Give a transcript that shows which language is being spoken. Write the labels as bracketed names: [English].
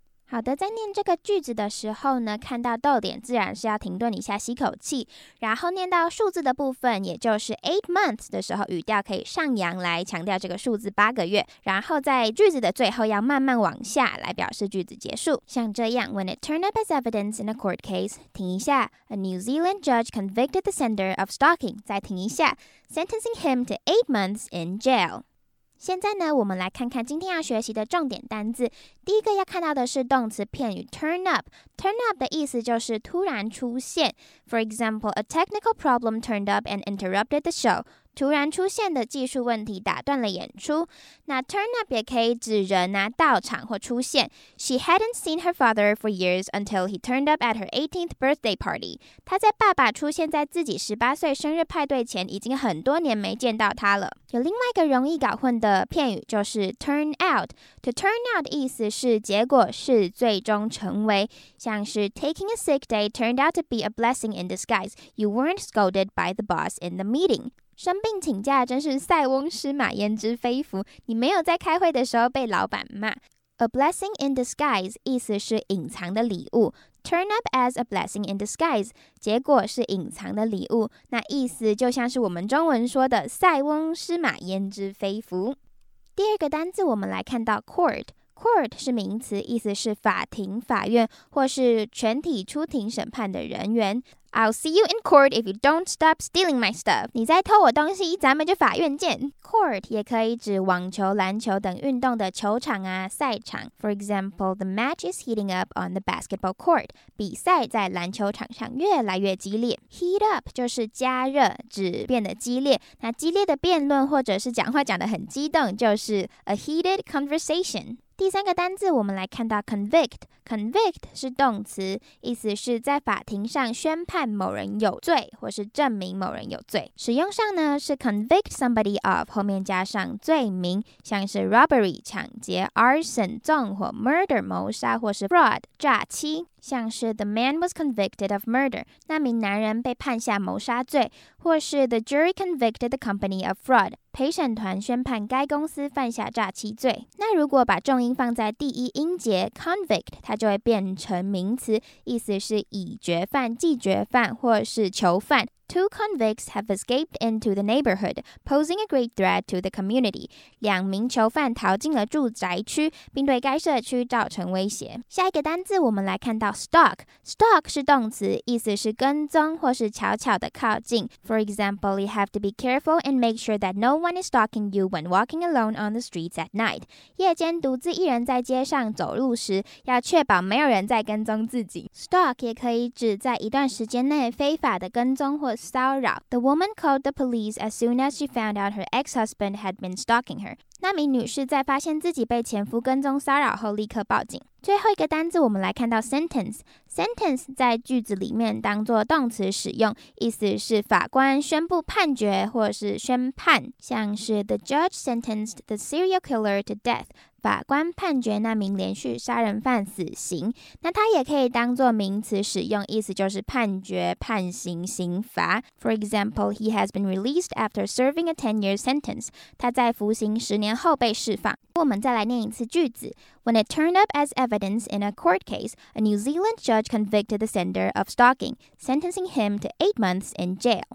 [Chinese] 好的，在念这个句子的时候呢，看到逗点自然是要停顿一下吸口气，然后念到数字的部分，也就是 8 months 的时候，语调可以上扬来强调这个数字8个月，然后在句子的最后要慢慢往下来表示句子结束，像这样 [English] When it turned up as evidence in a court case， [Chinese] 停一下 [English] A New Zealand judge convicted the sender of stalking， [Chinese] 再停一下 [English] Sentencing him to 8 months in jail。 [Chinese] 现在呢，我们来看看今天要学习的重点单字。第一个要看到的是动词片语 turn up。 turn up 的意思就是突然出现。 [English] For example, a technical problem turned up and interrupted the show。 [Chinese] 突然出现的技术问题打断了演出。那 turn up 也可以指人啊，到场或出现。 [English] She hadn't seen her father for years until he turned up at her 18th birthday party。 [Chinese] 她在爸爸出现在自己18岁生日派对前，已经很多年没见到他了。有另外一个容易搞混的片语就是 turn out。 [English] To turn out [Chinese] 意思是结果是最终成为，像是 [English] taking a sick day turned out to be a blessing in disguise. You weren't scolded by the boss in the meeting. [Chinese] 生病请假真是塞翁失马焉知非福，你没有在开会的时候被老板骂。 A blessing in disguise 意思是隐藏的礼物， turn up as a blessing in disguise 结果是隐藏的礼物，那意思就像是我们中文说的塞翁失马焉知非福。第二个单字我们来看到 courtCourt 是名词，意思是法庭、法院，或是全体出庭审判的人员。 [English] I'll see you in court if you don't stop stealing my stuff. [Chinese] 你再偷我东西，咱们就法院见。Court 也可以指网球、篮球等运动的球场啊、赛场。 [English] For example, the match is heating up on the basketball court. [Chinese] 比赛在篮球场上越来越激烈。Heat up 就是加热，指变得激烈。那激烈的辩论或者是讲话讲得很激动，就是 a heated conversation. 第三个单字我们来看到 convict， convict 是动词，意思是在法庭上宣判某人有罪或是证明某人有罪。使用上呢是 convict somebody of 后面加上罪名，像是 robbery 抢劫， arson 纵火， murder 谋杀，或是 fraud 诈欺。像是 [English] the man was convicted of murder, [Chinese] 那名男人被判下谋杀罪，或是 [English] the jury convicted the company of fraud, [Chinese] 陪审团宣判该公司犯下诈欺罪。那如果把重音放在第一音节 convict, 它就会变成名词，意思是已决犯、既决犯或是囚犯。 [English] Two convicts have escaped into the neighborhood, posing a great threat to the community. [Chinese] 两名囚犯逃进了住宅区，并对该社区造成威胁。下一个单字我们来看到 stalk. Stalk 是动词，意思是跟踪或是悄悄地靠近。 [English] For example, you have to be careful and make sure that no one is stalking you when walking alone on the streets at night. [Chinese] 夜间独自一人在街上走路时，要确保没有人在跟踪自己。 Stalk 也可以指在一段时间内非法的跟踪或骚扰。 [English] The woman called the police as soon as she found out her ex-husband had been stalking her. [Chinese] 那名女士在发现自己被前夫跟踪骚扰后立刻报警。最后一个单字我们来看到 sentence。Sentence 在句子里面当作动词使用，意思是法官宣布判决或是宣判，像是 [English] the judge sentenced the serial killer to death， [Chinese] 法官判决那名连续杀人犯死刑。那它也可以当作名词使用，意思就是判决、判刑、刑罚。 [English] For example, he has been released after serving a 10-year sentence， [Chinese] 他在服刑十年后被释放。我们再来念一次句子。 [English] When it turned up as evidence in a court case, a New Zealand judge convicted the sender of stalking, sentencing him to 8 months in jail.